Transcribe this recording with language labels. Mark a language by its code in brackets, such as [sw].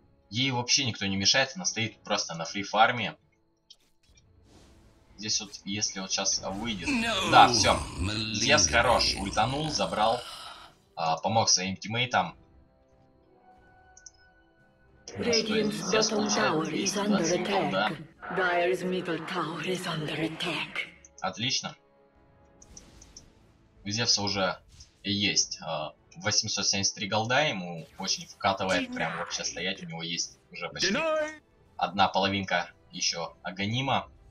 [ru] Ей вообще никто не мешает, она стоит просто на фри фарме. Здесь вот, если вот сейчас выйдет... No, да, все. Зевс хорош, ультанул, забрал. Помог своим тиммейтам. Ну что, Зевс получает 220 голда. [en] Dire's middle tower is under attack. [ru] Отлично. У Зевса уже есть 873 голда, ему очень вкатывает прям вообще стоять. У него есть уже почти одна половинка еще аганима.